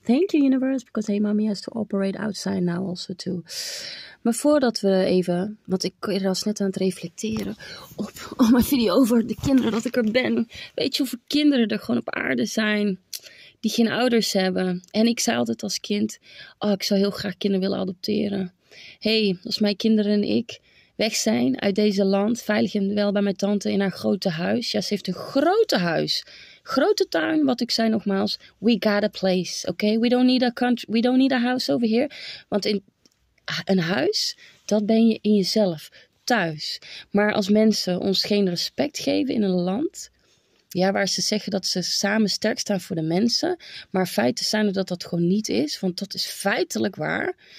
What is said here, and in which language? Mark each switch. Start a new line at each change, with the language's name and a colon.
English: Thank you, universe, because hey, mommy has to operate outside now also too.
Dutch: Maar voordat we even, want ik was net aan het reflecteren op mijn video over de kinderen dat ik er ben. Weet je hoeveel kinderen er gewoon op aarde zijn die geen ouders hebben? En ik zei altijd als kind, oh, ik zou heel graag kinderen willen adopteren. Hey, als mijn kinderen en ik weg zijn uit deze land, veilig en wel bij mijn tante in haar grote huis. Ja, ze heeft een grote huis. Grote tuin, wat ik zei nogmaals.
English: We got a place, okay? We don't need a country, we don't need a house over here.
Dutch: Want in een huis, dat ben je in jezelf, thuis. Maar als mensen ons geen respect geven in een land, ja, waar ze zeggen dat ze samen sterk staan voor de mensen, maar feiten zijn er dat dat gewoon niet is, want dat is feitelijk waar.